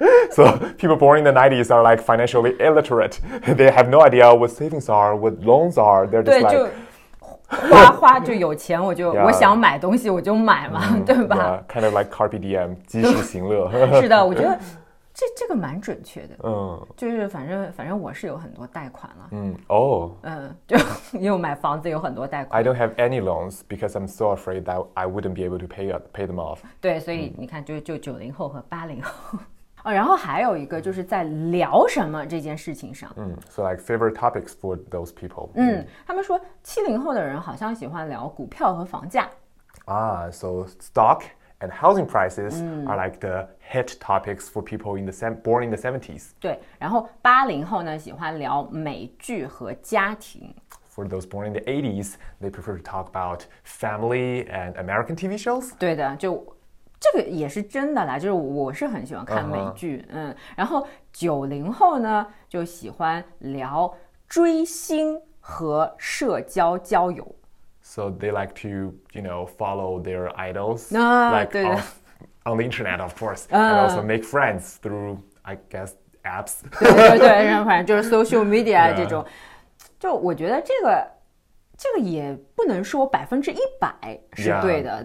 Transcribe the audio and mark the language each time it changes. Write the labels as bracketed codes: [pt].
[en] So people born in the 90s are like financially illiterate. They have no idea what savings are, what loans are. They're just [zh] 对 [en] like, [zh] 就花花就有钱我就 [en] yeah, [zh] 我想买东西我就买嘛、mm, 对吧 [en] yeah, Kind of like carpe diem, [zh] 及时行乐是的我觉得这个蛮准确的、就是反正我是有很多贷款了、就因为买房子有很多贷款 [en] I don't have any loans because I'm so afraid that I wouldn't be able to pay them off [zh] 对所以你看就90后和80后哦、然后还有一个就是在聊什么这件事情上。 [en] So like favorite topics for those people. [zh] 他们说70后的人好像喜欢聊股票和房价。 [en] So stock and housing prices are like the hit topics for people in the born in the 70s. [zh] 对，然后80后呢喜欢聊美剧和家庭。 [en] For those born in the 80s, they prefer to talk about family and American TV shows. [zh] 对的，就这个也是真的啦，就是我是很喜欢看美剧、然后90后呢就喜欢聊追星和社交交友 [en] So they like to, you know, follow their idols like on the internet, of course and also make friends through, I guess, apps [zh] 对反正就是 social media 这种、就我觉得这个也不能说百分之一百是对的